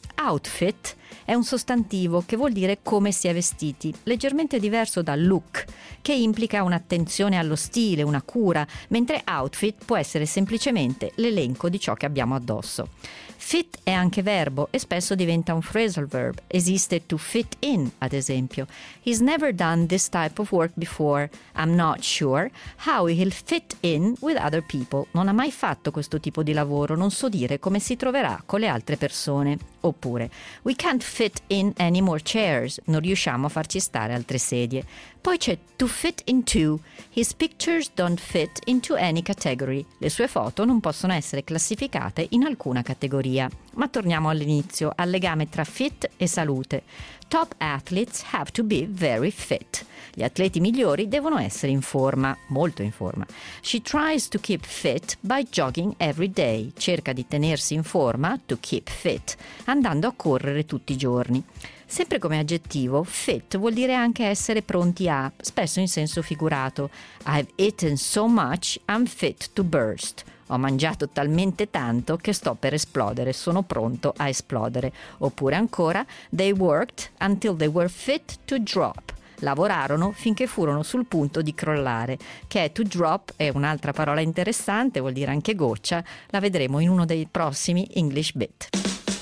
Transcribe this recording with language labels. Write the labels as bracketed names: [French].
[Italian] Outfit è un sostantivo che vuol dire come si è vestiti, leggermente diverso da look, che implica un'attenzione allo stile, una cura, mentre outfit può essere semplicemente l'elenco di ciò che abbiamo addosso. Fit è anche verbo e spesso diventa un phrasal verb. Esiste to fit in, ad esempio. [English] He's never done this type of work before. I'm not sure how he'll fit in with other people. [Italian] Non ha mai fatto questo tipo di lavoro, non so dire come si troverà con le altre persone. Oppure, [English] we can't fit in any more chairs, [Italian] non riusciamo a farci stare altre sedie. Poi c'è [English] to fit into, his pictures don't fit into any category, [Italian] le sue foto non possono essere classificate in alcuna categoria. Ma torniamo all'inizio, al legame tra fit e salute. [English] Top athletes have to be very fit. [Italian] Gli atleti migliori devono essere in forma, molto in forma. [English] She tries to keep fit by jogging every day. [Italian] Cerca di tenersi in forma, [English] to keep fit, [Italian] andando a correre tutti i giorni. Sempre come aggettivo, fit vuol dire anche essere pronti a, spesso in senso figurato. [English] I've eaten so much, I'm fit to burst. [Italian] Ho mangiato talmente tanto che sto per esplodere, sono pronto a esplodere. Oppure ancora, [English] they worked until they were fit to drop. [Italian] Lavorarono finché furono sul punto di crollare, che è to drop, è un'altra parola interessante, vuol dire anche goccia, la vedremo in uno dei prossimi English Bit.